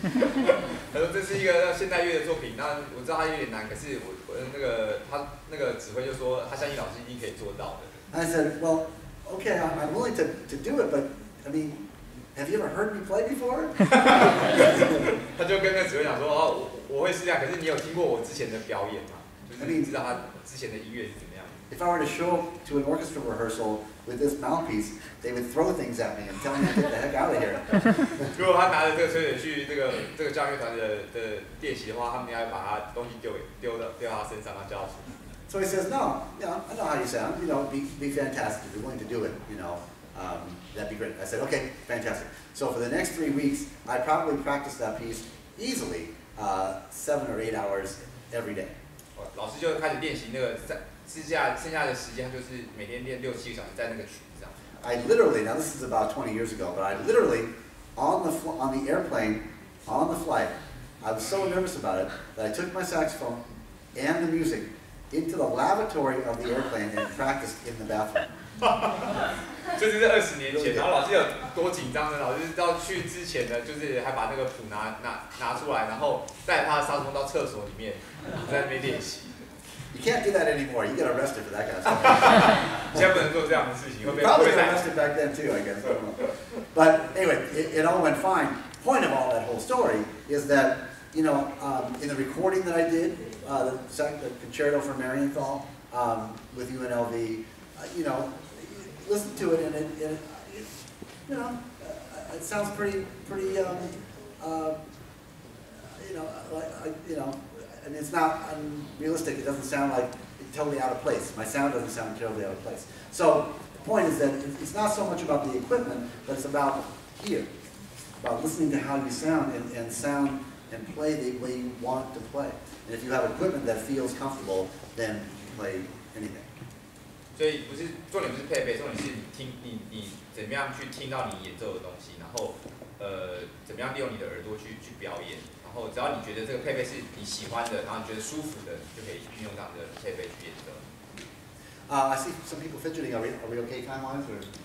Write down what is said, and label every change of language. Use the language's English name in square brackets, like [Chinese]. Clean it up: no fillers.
[Chinese] 他说这是一个现代乐的作品，那我知道它有点难，可是我那个他那个指挥就说他相信老师一定可以做到的。 [English] I said, well, okay, I'm willing to do it, but I mean, have you ever heard me play before? [Chinese] 他就跟那指挥讲说，哦，我会试一下，可是你有听过我之前的表演吗？就是你知道他之前的音乐是怎么样。 [English] If I were to show up to an orchestra rehearsal with this mouthpiece, they would throw things at me and tell me to get the heck out of here. [Chinese] 如果他拿着这个吹笛去这个交响乐团的练习的话，他们应该把他东西丢到他身上，他叫他。 [English] So he says, "No, yeah, I know how you sound. You know, be fantastic. If you're willing to do it, you know, that'd be great." I said, "Okay, fantastic." So for the next 3 weeks, I probably practiced that piece easily 7 or 8 hours every day. [Chinese] 老师就开始练习那个剩下的时间就是每天练六七个小时在那个曲子上。 [English] I literally, now this is about 20 years ago, but I literally, on the airplane, on the flight, I was so nervous about it that I took my saxophone and the music into the lavatory of the airplane and practiced in the bathroom. [Chinese] 就是在20年前，然后老师有多紧张呢？老师到去之前呢，就是还把那个谱拿出来，然后带他的萨克斯风到厕所里面，在那边练习。 [English] You can't do that anymore. You get arrested for that kind of stuff. [Chinese] 现在不能做这样的事情，会被被被 [English] arrested back then too, I guess. But anyway, it all went fine. Point of all that whole story is that, you know, in the recording that I did, the concerto for Marienthal with UNLV, you know, listen to it and it sounds pretty I mean, it's not unrealistic, it doesn't sound like totally out of place. My sound doesn't sound terribly out of place. So, the point is that it's not so much about the equipment, but it's about here. About listening to how you sound and sound and play the way you want to play. And if you have equipment that feels comfortable, then you can play anything. So, [Chinese] 不是重点不是配备，重点是你怎么样去听到你演奏的东西，然后怎么样利用你的耳朵去表演。只要你觉得这个配备是你喜欢的，然后你觉得舒服的，就可以运用这样的配备去演奏。 [English] I see some people fidgeting. Are we okay time-wise? Or?